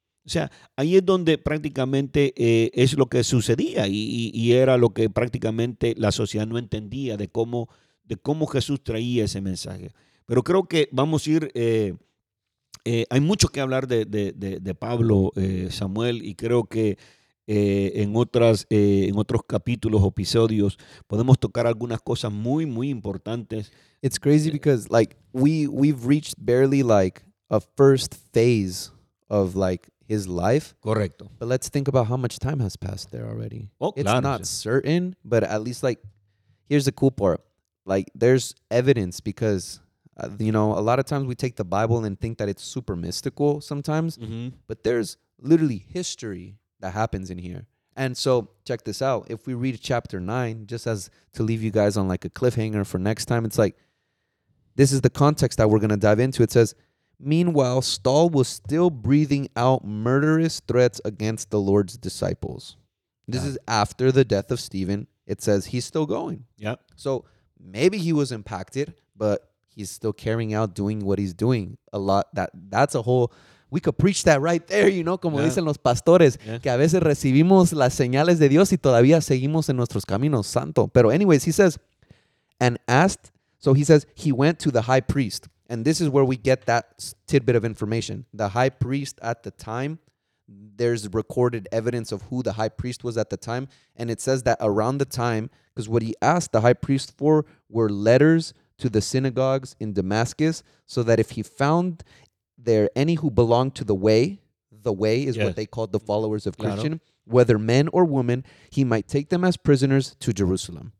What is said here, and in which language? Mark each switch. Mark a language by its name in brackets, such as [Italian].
[Spanish] O sea, ahí es donde prácticamente es lo que sucedía y era lo que prácticamente la sociedad no entendía de cómo Jesús traía ese mensaje. Pero creo que vamos a ir... hay mucho que hablar de Pablo, Samuel, y creo que en otros capítulos o episodios podemos tocar algunas cosas muy, muy importantes. [English] It's crazy because like we've reached barely like a first phase of like his life. [Spanish] Correcto. [English] But let's think about how much time has passed there already. Oh, it's [Spanish] claro, [English] not [Spanish] sí. [English] certain, but at least like here's the cool part. Like there's evidence because... you know, a lot of times we take the Bible and think that it's super mystical sometimes, mm-hmm. but there's literally history that happens in here. And so check this out. If we read chapter 9, just as to leave you guys on like a cliffhanger for next time, it's like, this is the context that we're going to dive into. It says, meanwhile, Saul was still breathing out murderous threats against the Lord's disciples. This is after the death of Stephen. It says he's still going. Yeah. So maybe he was impacted, but... he's still carrying out doing what he's doing a lot. That's a whole, we could preach that right there, you know, [Spanish] como [English] yeah. [Spanish] dicen los pastores, yeah. que a veces recibimos las señales de Dios y todavía seguimos en nuestros caminos, santo. [English] Pero anyways, he says, and asked, so he says, he went to the high priest. And this is where we get that tidbit of information. The high priest at the time, there's recorded evidence of who the high priest was at the time. And it says that around the time, because what he asked the high priest for were letters to the synagogues in Damascus, so that if he found there any who belonged to the way is what they called the followers of Christian, whether men or women, he might take them as prisoners to Jerusalem.